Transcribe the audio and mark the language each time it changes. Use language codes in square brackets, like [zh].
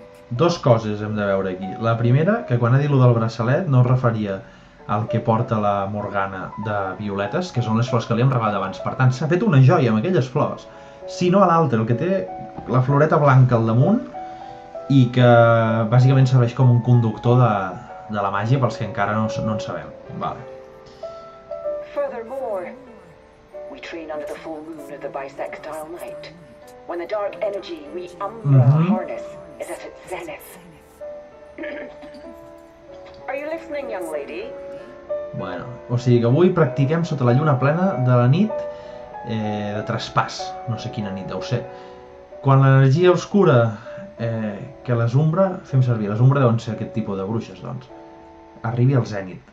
[ca] Dos coses hem de veure aquí. La primera, que quan ha dit allò del braçalet no es referia al que porta la Morgana de violetes, que són les flors que li hem regalat abans. Per tant, s'ha fet una joia amb aquelles flors. Si no a l'altre, el que té la floreta blanca al damunt, i que bàsicament serveix com un conductor de la màgia pels que encara no en sabem. Vale. [en] Furthermore, we train under the full moon of the bisextile night. When the dark energy we harness is at its zenith. Are you listening, young lady? [ca] Bueno, o sigui que avui practiquem sota la lluna plena de la nit de traspàs. No sé quina nit deu ser. Quan l'energia oscura que les ombra fem servir, les ombra deuen ser aquest tipus de bruixes, doncs arribi al zènit.